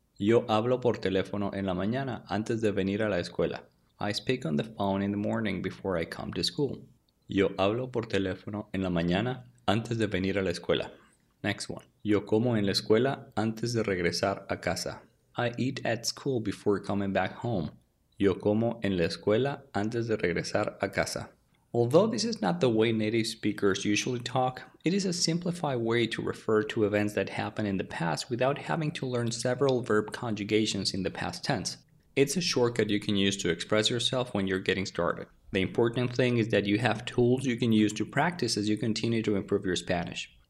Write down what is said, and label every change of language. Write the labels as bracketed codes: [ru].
[es] Yo hablo por teléfono en la mañana antes de venir a la escuela. [en] I speak on the phone in the morning before I come to school. [es] Yo hablo por teléfono en la mañana antes de venir a la escuela. [en] Next one. [es] Yo como en la escuela antes de regresar a casa. [en] I eat at school before coming back home. [es] Yo como en la escuela antes de regresar a casa. [en] Although this is not the way native speakers usually talk, it is a simplified way to refer to events that happened in the past without having to learn several verb conjugations in the past tense. It's a shortcut you can use to express yourself when you're getting started. The important thing is that you have tools you can use to practice as you continue to improve your Spanish.